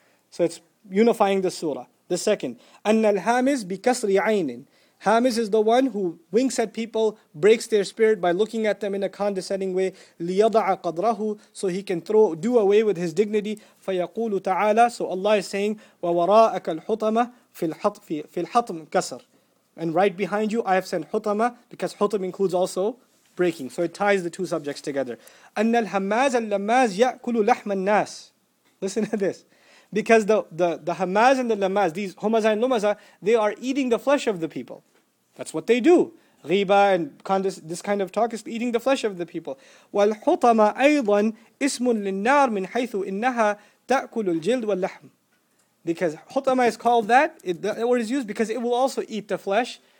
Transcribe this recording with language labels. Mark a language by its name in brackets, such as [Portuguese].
[English] So it's unifying the surah. The second, [Arabic] أَنَّ الْهَامِزْ بِكَسْرِ عَيْنٍ [English] Hamiz is the one who winks at people, breaks their spirit by looking at them in a condescending way, [Arabic] لِيَضَعَ قَدْرَهُ [English] So he can do away with his dignity, [Arabic] فَيَقُولُ تَعَالَى [English] So Allah is saying, [Arabic] وَوَرَاءَكَ الْحُطَمَ فِي الْحَطْمِ كَسْرِ [English] And right behind you, I have sent hutama, because hutam includes also breaking. So it ties the two subjects together. [Arabic] أَنَّ الْهَمَّازَ اللَّمَّازْ يَأْكُلُ لَحْمَ النَّاسِ [English] Listen to this. Because the hamaz and the lamaz, these humaza and lumaza, they are eating the flesh of the people. That's what they do. Ghiba and this kind of talk is eating the flesh of the people. [Arabic] وَالْحُطَمَ أَيْضًا إِسْمٌ لِلنَّارِ مِنْ حَيْثُ إِنَّهَا تَأْكُلُ الْجِلْدُ وَاللَّحْمُ [English] Because hutama is called that, that word is used because it will also eat the flesh.